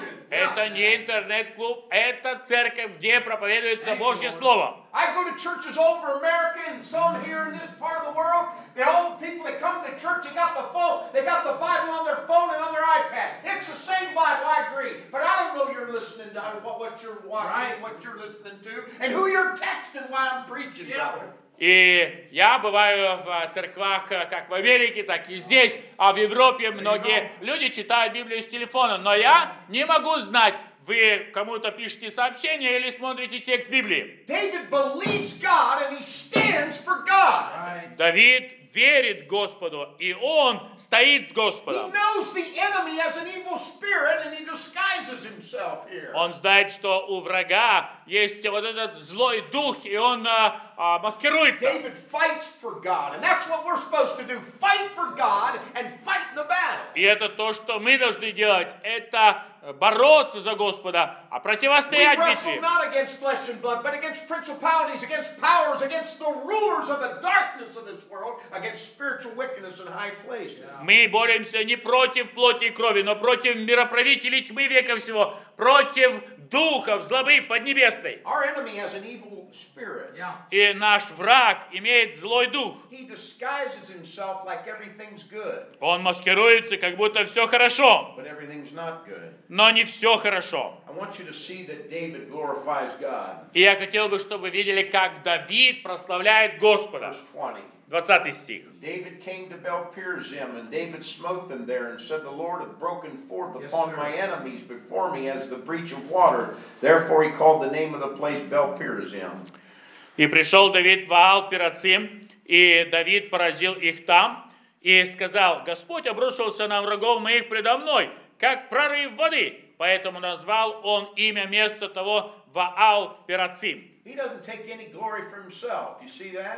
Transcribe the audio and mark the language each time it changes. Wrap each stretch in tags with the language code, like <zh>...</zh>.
<ru>Это не интернет-клуб, это церковь, где проповедуется Божье Слово.</ru> <en>I go to churches all over America and some here in this part of the world. The old people that come to church, they got the phone, they got the Bible on their phone and on their iPad. It's the same Bible, I agree. But I don't know you're listening to what you're watching, what you're listening to, and who you're texting while I'm preaching, brother.</en> <ru>И я бываю в церквах как в Америке, так и здесь, а в Европе многие люди читают Библию с телефона. Но я не могу знать, вы кому-то пишете сообщение или смотрите текст Библии.</ru> <en>David believes God and he stands for God.</en> <ru>Давид верит Господу, и он стоит с Господом.</ru> <en>He knows the enemy has an evil spirit and he disguises himself here.</en> <ru>Он знает, что у врага есть вот этот злой дух, и он маскируется.</ru> <en>David fights for God, and that's what we're supposed to do. Fight for God and fight in the battle.</en> <ru>И это то, что мы должны делать. Это бороться за Господа, а противостоять битве.</ru> <en>We wrestle not against flesh and blood, but against principalities, against powers, against the rulers of the darkness of this world, against spiritual wickedness in high places.</en> <ru>Мы боремся не против плоти и крови, но против мироправителей тьмы века всего, против духов злобы поднебесной.</ru> <en>Our enemy has an evil spirit.</en> <ru>И наш враг имеет злой дух.</ru> <en>He disguises himself like everything's good.</en> <ru>Он маскируется, как будто все хорошо.</ru> <en>But everything's not good.</en> <ru>Но не все хорошо.</ru> <en>I want you to see that David glorifies God.</en> <ru>И я хотел бы, чтобы вы видели, как Давид прославляет Господа. 20 стих.</ru> <en>David came to Baal-perazim, and David smote them there, and said, The Lord hath broken forth upon my enemies before me as the breach of water. Therefore he called the name of the place Baal-perazim.</en> <ru>И пришел Давид в Аал-перацим, и Давид поразил их там, и сказал, Господь обрушился на врагов моих предо мной, как прорыв воды. Поэтому назвал он имя места того Ваал-перацим.</ru> <en>He doesn't take any glory for himself. You see that?</en>